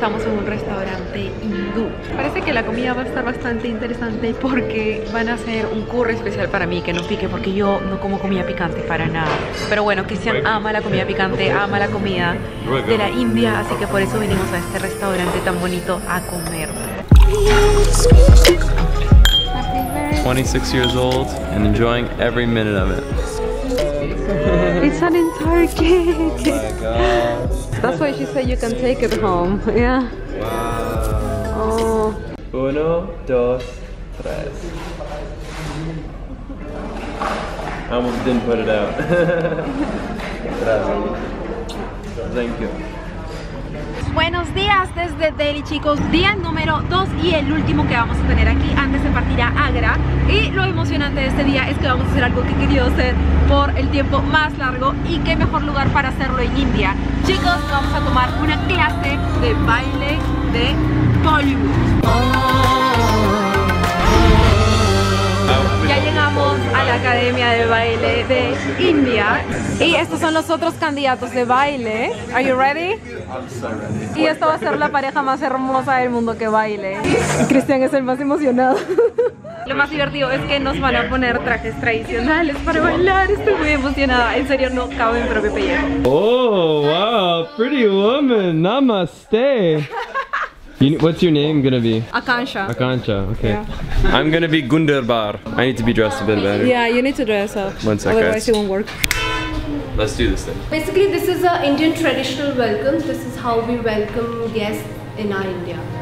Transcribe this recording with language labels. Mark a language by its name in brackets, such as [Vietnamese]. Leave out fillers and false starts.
[Spanish] estamos en un restaurante hindú. Parece que la comida va a estar bastante interesante porque van a hacer un curry especial para mí que no pique, porque yo no como comida picante para nada. Pero bueno, Cristian ama la comida picante, ama la comida de la India, así que por eso vinimos a este restaurante tan bonito a comer. [English] 26 years old and enjoying every minute of it. It's an entire cake. Oh my god. That's why she said you can take it home. Yeah. Wow. Oh. [Spanish] Uno, dos, tres. [English] I almost didn't put it out. Thank you. [Spanish] Buenos días desde Delhi, chicos. Día número 2 y el último que vamos a tener aquí antes de partir a Agra. Y lo emocionante de este día es que vamos a hacer algo que he querido hacer por el tiempo más largo. Y qué mejor lugar para hacerlo en India. Chicos, vamos a tomar una clase de baile de Bollywood. Ya llegamos a la Academia de Baile de India. Y estos son los otros candidatos de baile. ¿Estás listo? [English] I'm so ready. [Spanish] Y esta va a ser la pareja más hermosa del mundo que baile. Cristian es el más emocionado. Lo más divertido es que nos van a poner trajes tradicionales para bailar. Estoy muy emocionada. En serio, no cabe en propio pellejo. [English] Oh, wow. Pretty woman. Namaste. What's your name gonna be? Akansha. Akansha, okay. Yeah. I'm gonna be Gundarbar. I need to be dressed a bit better. Yeah, you need to dress up. One second. Otherwise, it won't work. Let's do this thing. Basically, this is an Indian traditional welcome. This is how we welcome guests in our India.